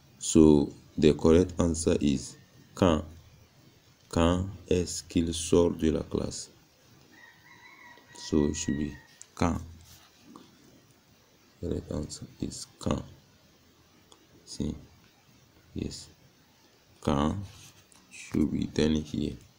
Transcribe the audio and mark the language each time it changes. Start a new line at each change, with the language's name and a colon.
English: So the correct answer is quand.
French: Quand est-ce qu'il sort de la classe?
English: So it should be quand. The right answer is quand. See? Yes. Quand should be done here.